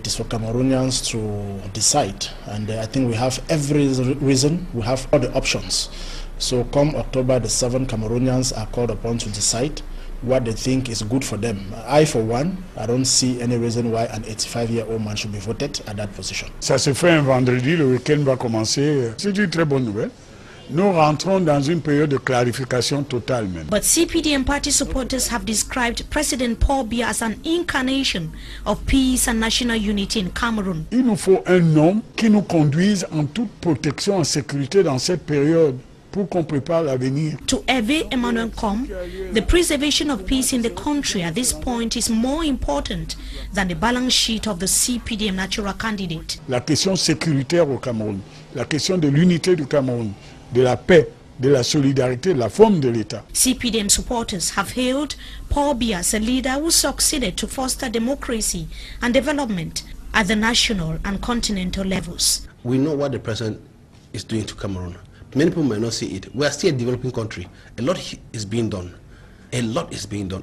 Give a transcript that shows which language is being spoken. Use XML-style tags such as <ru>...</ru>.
<en>It is for Cameroonians to decide, and I think we have every reason, we have all the options. So come October the 7th, Cameroonians are called upon to decide what they think is good for them. I, for one, I don't see any reason why an 85-year-old man should be voted at that position.</en> <fr>Ça se fait un vendredi, le week-end va commencer. C'est une très bonne nouvelle. Nous rentrons dans une période de clarification totale même.</fr> <en>But CPDM party supporters have described President Paul Biya as an incarnation of peace and national unity in Cameroon.</en> <fr>Il nous faut un homme qui nous conduise en toute protection et sécurité dans cette période. Pour qu'on prépare l'avenir.</fr> <en>To Hervé Emmanuel Combe, the preservation of peace in the country at this point is more important than the balance sheet of the CPDM natural candidate.</en> <fr>La question sécuritaire au Cameroun, la question de l'unité du Cameroun, de la paix, de la solidarité, la forme de l'État.</fr> <en>CPDM supporters have hailed Paul Biya as a leader who succeeded to foster democracy and development at the national and continental levels. We know what the president is doing to Cameroon. Many people may not see it. We are still a developing country. A lot is being done. A lot is being done.</en>